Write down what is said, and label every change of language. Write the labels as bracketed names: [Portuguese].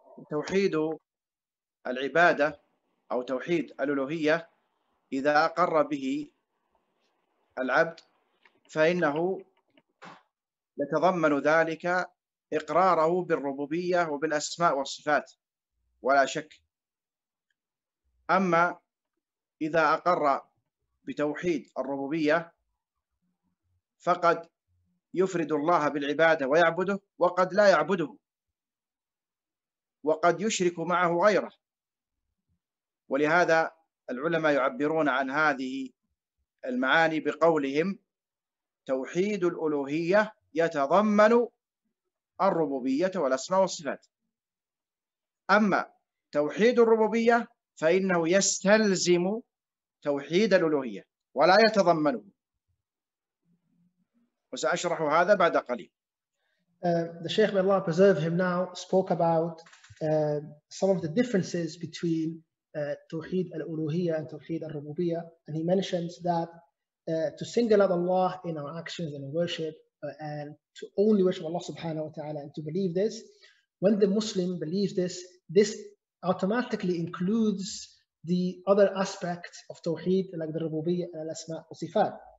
[Arabic] Tawheed al-ibadah, or tawheed al-uluhiyyah, idha aqarra bihi al-abd, fa'innahu يتضمن ذلك إقراره بالربوبية وبالأسماء والصفات ولا شك. أما إذا أقر بتوحيد الربوبية فقد يفرد الله بالعبادة ويعبده، وقد لا يعبده، وقد يشرك معه غيره. ولهذا العلماء يعبرون عن هذه المعاني بقولهم توحيد الألوهية يتضمن الربوبية والأسماء والصفات، أما توحيد الربوبية فإنه يستلزم توحيد الألوهية ولا يتضمنه، وسأشرح هذا بعد قليل. [English] The Shaykh, may Allah preserve him now, spoke about some of the differences between توحيد الألوهية and توحيد الربوبية, and he mentions that to single out Allah in our actions and worship, and to only worship Allah subhanahu wa ta'ala and to believe this, when the Muslim believes this, this automatically includes the other aspects of tawheed like the rububiyyah and al-asma wa sifat.